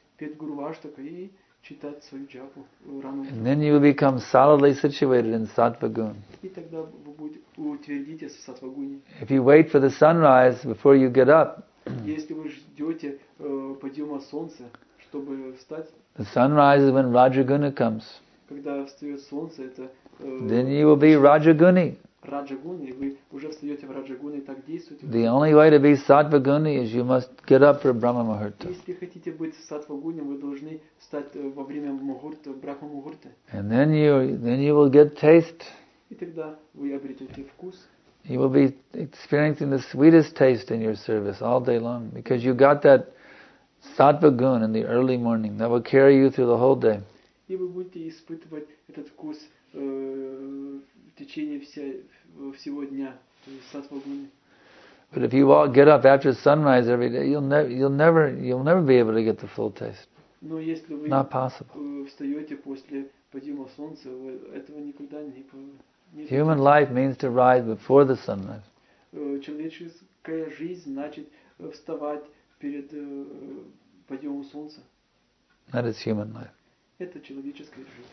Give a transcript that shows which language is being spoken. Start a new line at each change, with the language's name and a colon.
Russian: Пет Гурваштака и читать свою джапу рано.
English: And then you will become solidly situated in sattva gun.
Russian: И тогда вы будете утвердитесь в сатва гуне.
English: If you wait for the sunrise before you get up.
Russian: Если вы ждете подъема солнца, чтобы встать.
English: The sunrise is when Rajaguna comes.
Russian: Когда встает солнце, это.
English: Then you will be Rajaguni.
Russian: Раджа-гуни, вы уже встаете в Раджа-гуни и так действуете.
English: The only way to be sattva-guni is you must get up for Brahma Muhurta.
Russian: Если хотите быть сатва-гуни, вы должны встать во время Мухурта, Брахма Мухурта.
English: And then you will get taste.
Russian: И тогда вы обретете вкус.
English: You will be experiencing the sweetest taste in your service all day long because you got that sattva-gun in the early morning that will carry you through the whole day.
Russian: И вы будете испытывать этот вкус в течение всего дня, то есть сатва-гуни.
English: But if you all get up after sunrise every day, you'll never be able to get the full taste.
Russian: Но если вы встаете после подъема солнца, этого никогда не.
English: Human life means to rise before the sunrise.
Russian: Человеческая жизнь значит вставать перед подъемом солнца.
English: That is human life.
Russian: Это человеческая жизнь.